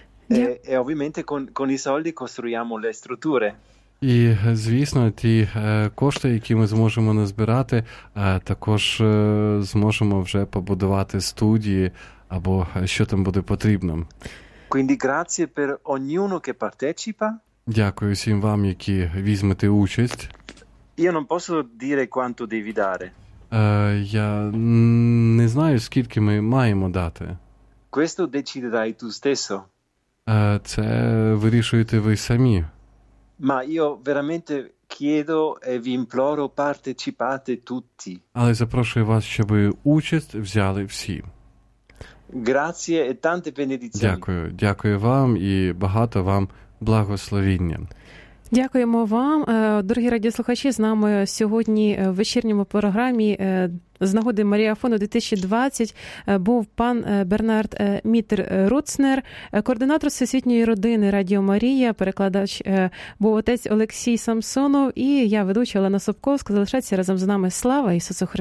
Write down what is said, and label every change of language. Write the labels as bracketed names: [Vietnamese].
[Italian] E ovviamente con i soldi costruiamo le strutture. [Ukrainian] І, звісно, ті кошти, які ми зможемо назбирати, також зможемо вже побудувати студії або що там буде потрібно. [Italian] Quindi grazie per ognuno che partecipa. [Ukrainian] Дякую всім вам, які візьмете участь. [Italian] Io non posso dire quanto devi dare. [Ukrainian] Я не знаю, скільки ми маємо дати. [Italian] Questo deciderai tu stesso. [Ukrainian] Це вирішуєте ви самі. [Italian] Ma io veramente chiedo e vi imploro partecipate tutti. [Ukrainian] Але запрошую вас, щоб участь взяли всі. [Italian] Grazie e tante benedizioni. [Ukrainian] Дякую вам і багато вам благословення. Дякуємо вам, дорогі радіослухачі. З нами сьогодні в вечірньому програмі з нагоди Маріафону 2020 був пан Бернард Мітер Руцнер, координатор Всесвітньої родини Радіо Марія, перекладач був отець Олексій Самсонов, і я, ведуча Олена Собковська. Залишайтеся разом з нами. Слава Ісусу Христу!